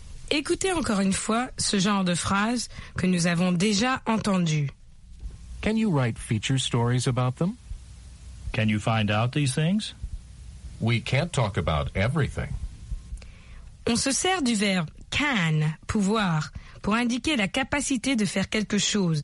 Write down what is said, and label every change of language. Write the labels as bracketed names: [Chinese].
[French] Écoutez encore une fois ce genre de phrase que nous avons déjà entendu. [English] Can you write feature stories about them? Can you find out these things? We can't talk about everything. [French] On se sert du verbe can, pouvoir, pour indiquer la capacité de faire quelque chose.